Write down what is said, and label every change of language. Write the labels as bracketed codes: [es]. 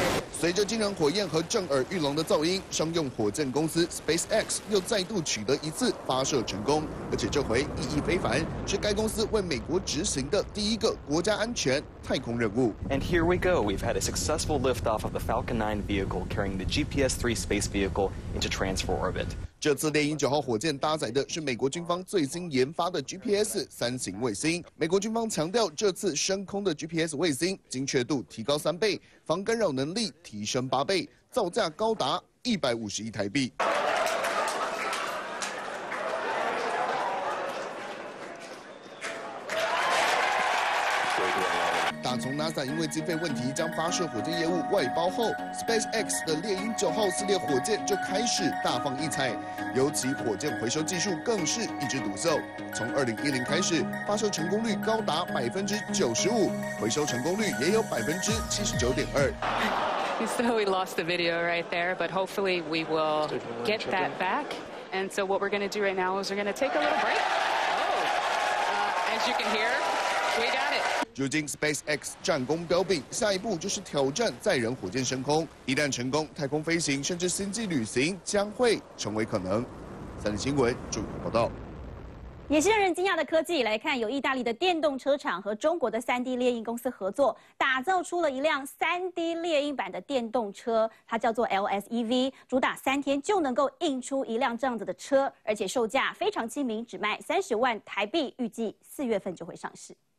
[zh] 随着惊人火焰和震耳欲聋的噪音，商用火箭公司 SpaceX 又再度取得一次发射成功，而且这回意义非凡，是该公司为美国执行的第一个国家安全太空任务。 [en] And here we go. We've had a successful liftoff of the Falcon 9 vehicle carrying the GPS-3 space vehicle into transfer orbit. [zh] 这次猎鹰九号火箭搭载的是美国军方最新研发的 GPS 三型卫星。美国军方强调，这次升空的 GPS 卫星精确度提高3倍，防干扰能力提升8倍，造价高达150亿台币。打从 NASA 因为经费问题将发射火箭业务外包后 ，SpaceX 的猎鹰九号系列火箭就开始大放异彩，尤其火箭回收技术更是一枝独秀。从2010开始，发射成功率高达95%，回收成功率也有79.2%。 [en] So we lost the video right there, but hopefully we will get that back. And so what we're going to do right now is we're going to take a little break. As you can hear, we got it. [zh] 如今 SpaceX 战功彪炳，下一步就是挑战载人火箭升空。一旦成功，太空飞行甚至星际旅行将会成为可能。三立新闻主播报道。也是让人惊讶的科技，来看由意大利的电动车厂和中国的 3D 猎鹰公司合作，打造出了一辆 3D 猎鹰版的电动车，它叫做 LSEV， 主打3天就能够印出一辆这样子的车，而且售价非常亲民，只卖30万台币，预计4月份就会上市。